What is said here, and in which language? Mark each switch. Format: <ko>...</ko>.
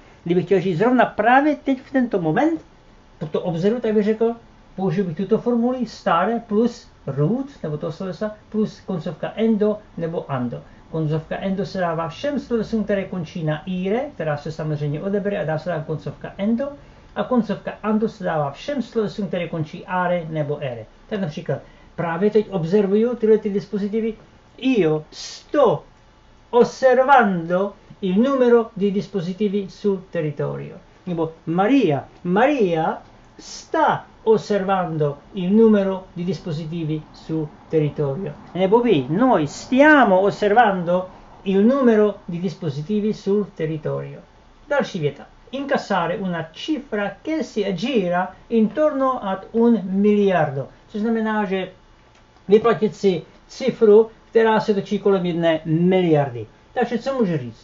<cs>Kdybych chtěl říct zrovna právě teď v tento moment, po to obzoru, tak bych řekl, použiju bych tuto formuli stare plus root, nebo toho slovesa, plus koncovka endo nebo ando. Koncovka endo se dává všem slovesům, které končí na ire, která se samozřejmě odebere a dá se dát koncovka endo. A koncovka ando se dává všem slovesům, které končí are nebo ere. Tak například, právě teď observuju tyhle ty dispozitivy.</cs> <it>Io sto osservando il numero di dispositivi sul territorio.</it> <cs>Nebo</cs> <it>Maria sta osservando il numero di dispositivi sul territorio.</it> <cs>Nebo</cs> <it>vi, noi stiamo osservando il numero di dispositivi sul territorio. Darci vieta, incassare una cifra che si aggira intorno ad un miliardo.</it> <cs>Což znamená, že vyplatit si cifru, která se točí kolem jedné miliardy. Takže co můžu říct?</cs>